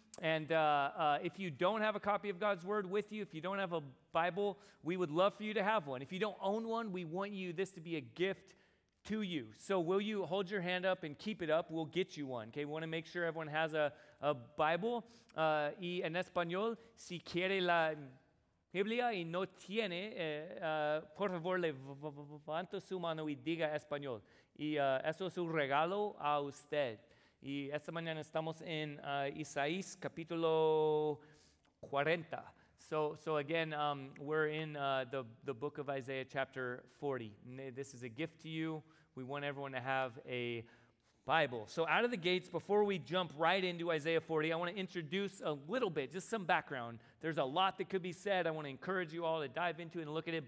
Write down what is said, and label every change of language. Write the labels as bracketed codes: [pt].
[en] And if you don't have a copy of God's Word with you, if you don't have a Bible, we would love for you to have one. If you don't own one, we want you this to be a gift to you. So will you hold your hand up and keep it up? We'll get you one. Okay, we want to make sure everyone has a Bible. [es] Y en español, si quiere la Biblia y no tiene, por favor, levanta su mano y diga español. Y eso es un regalo a usted. Y esta mañana estamos en Isaías capítulo 40. [en] So again, we're in the book of Isaiah chapter 40. This is a gift to you. We want everyone to have a Bible. So out of the gates, before we jump right into Isaiah 40, I want to introduce a little bit, just some background. There's a lot that could be said. I want to encourage you all to dive into it and look at it.